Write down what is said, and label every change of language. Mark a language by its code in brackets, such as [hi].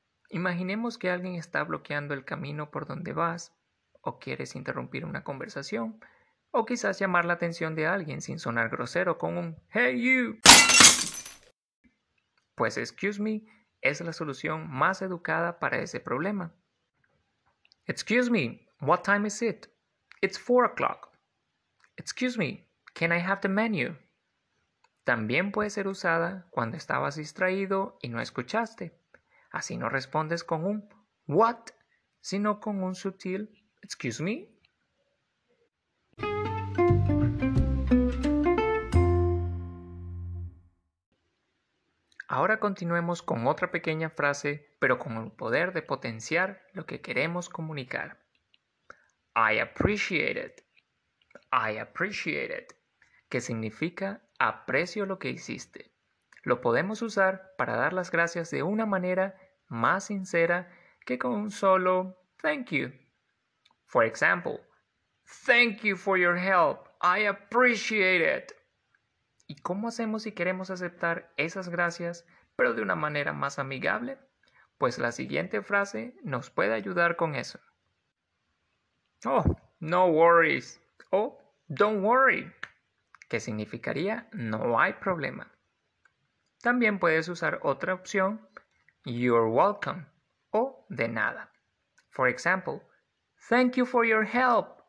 [es] Imaginemos que alguien está bloqueando el camino por donde vas, o quieres interrumpir una conversación, o quizás llamar la atención de alguien sin sonar grosero con un [en] Hey you. [es] Pues [en] excuse me [es] es la solución más educada para ese problema. [en] Excuse me, what time is it? It's 4 o'clock. Excuse me, can I have the menu? [es] También puede ser usada cuando estabas distraído y no escuchaste. Así no respondes con un what, sino con un sutil excuse. Ahora continuemos con otra pequeña frase, pero con el poder de potenciar lo que queremos comunicar. [en] I appreciate it. I appreciate it, [es] que significa aprecio lo que hiciste. Lo podemos usar para dar las gracias de una manera más sincera que con un solo [en] thank you. For example, thank you for your help. I appreciate it. [es] ¿Y cómo hacemos si queremos aceptar esas gracias, pero de una manera más amigable? Pues la siguiente frase nos puede ayudar con eso. [en] Oh, no worries. Oh, don't worry, [es] que significaría no hay problema. También puedes usar otra opción. [en] You're welcome [es] o de nada. [en] For example, thank you for your help.